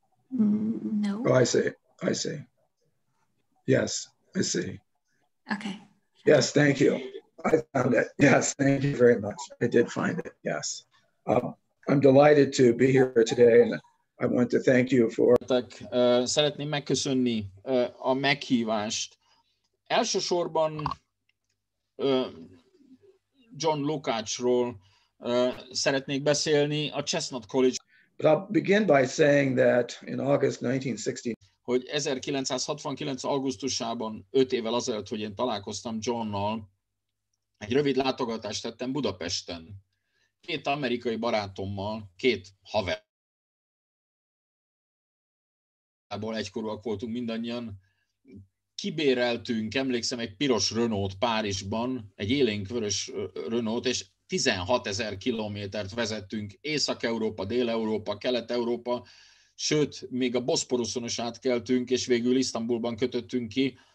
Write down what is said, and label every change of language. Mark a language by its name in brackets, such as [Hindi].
[English] No. Oh, I see. Yes, I see. Okay. Yes, thank you. I found it. Yes, thank you very much. I did find it, yes. I'm delighted to be here today, and I want to thank you for... [Hungarian] Szeretném megköszönni a meghívást. Elsősorban John Lukácsról szeretnék beszélni, a Chestnut College... [English] But I'll begin by saying that in August 1960, [Hungarian] hogy 1969 augusztusában, 5 évvel azelőtt, hogy én találkoztam Johnnal, egy rövid látogatást tettem Budapesten. két amerikai barátommal, két haverból egykorúak voltunk mindannyian, kibéreltünk, emlékszem, egy piros Renault Párizsban, egy élénkvörös Renault, és 16 ezer kilométert vezettünk Észak-Európa, Dél-Európa, Kelet-Európa, sőt, még a Boszporuszon is átkeltünk, és végül Isztambulban kötöttünk ki.